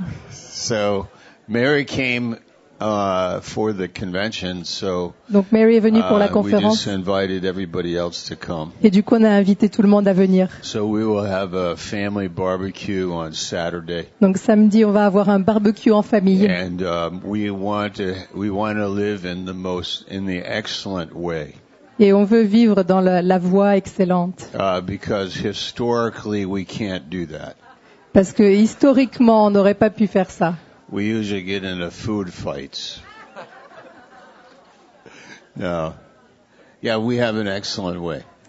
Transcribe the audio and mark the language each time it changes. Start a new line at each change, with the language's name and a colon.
English: So, Mary came for the convention, so.
French: Donc Mary est venue pour la conférence.
English: We just invited everybody else to come.
French: Et du coup, on a invité tout le monde à venir.
English: So we will have a family barbecue on Saturday.
French: Donc samedi, on va avoir un barbecue en famille.
English: And we want to live in the most in the excellent way.
French: Et on veut vivre dans la voie excellente.
English: Because historically we can't do that.
French: Parce que historiquement, on n'aurait pas pu faire ça.
English: We usually get into food fights. No. Yeah, we have an excellent way.